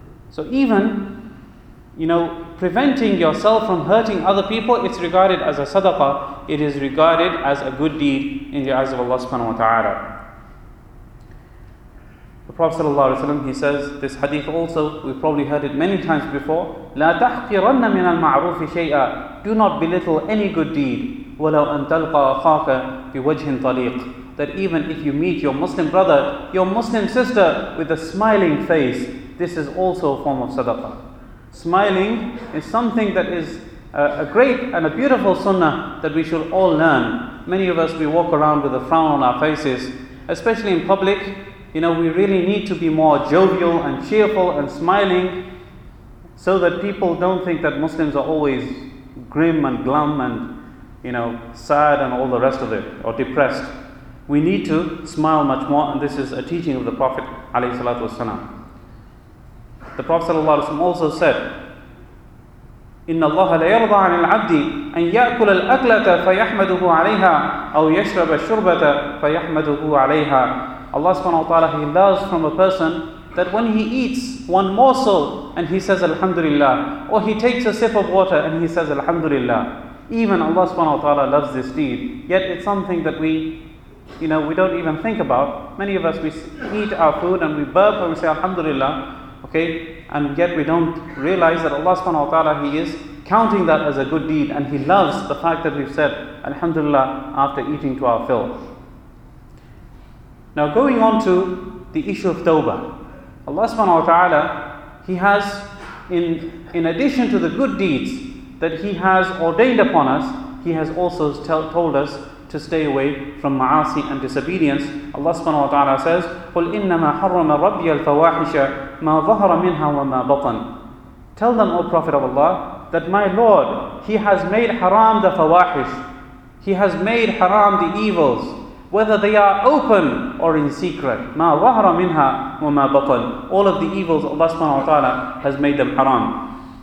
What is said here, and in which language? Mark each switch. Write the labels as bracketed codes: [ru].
[en] So even, you know, preventing yourself from hurting other people, it's regarded as a sadaqah, it is regarded as a good deed in the eyes of Allah subhanahu wa ta'ala. The Prophet sallallahu alaihi wasallam, he says this hadith also, we've probably heard it many times before, [ar] لَا تَحْقِرَنَّ مِنَ الْمَعْرُوفِ شَيْئًا. [en] Do not belittle any good deed. [ar] وَلَوْ أَن تَلْقَى أَخَاكَ بِوَجْهٍ طَلِيقٍ. [en] That even if you meet your Muslim brother, your Muslim sister with a smiling face, this is also a form of sadaqah. Smiling is something that is a great and a beautiful sunnah that we should all learn. Many of us, we walk around with a frown on our faces, especially in public. You know, we really need to be more jovial and cheerful and smiling so that people don't think that Muslims are always grim and glum and, you know, sad and all the rest of it, or depressed. We need to smile much more, and this is a teaching of the Prophet alayhi salatu wasalam. The Prophet ﷺ also said, [ar] إِنَّ اللَّهَ لَيَرْضَ عَنِ الْعَبْدِ أَنْ يَأْكُلَ الْأَكْلَةَ فَيَحْمَدُهُ عَلَيْهَا أَوْ يَشْرَبَ الشُّرْبَةَ فَيَحْمَدُهُ عَلَيْهَا. [en] Allah subhanahu wa ta'ala, he loves from a person that when he eats one morsel and he says Alhamdulillah, or he takes a sip of water and he says Alhamdulillah. Even Allah subhanahu wa ta'ala loves this deed. Yet it's something that we, you know, we don't even think about. Many of us, we eat our food and we burp and we say Alhamdulillah. Okay, and yet we don't realize that Allah subhanahu wa ta'ala, he is counting that as a good deed, and he loves the fact that we've said Alhamdulillah after eating to our fill. Now going on to the issue of tawbah, Allah subhanahu wa ta'ala, he has, in addition to the good deeds that he has ordained upon us, he has also told us to stay away from ma'asi and disobedience. Allah subhanahu wa ta'ala says, [ar] قُلْ إِنَّمَا حَرَّمَ رَبِّيَ الْفَوَاحِشَ مَا ظَهَرَ مِنْهَا وَمَا بَطَنَ. [en] Tell them, O Prophet of Allah, that my Lord, he has made haram the fawahish. He has made haram the evils. whether they are open or in secret. [ar] مَا ظَهْرَ مِنْهَا وَمَا بَطَلْ. [en] All of the evils Allah subhanahu wa ta'ala has made them haram.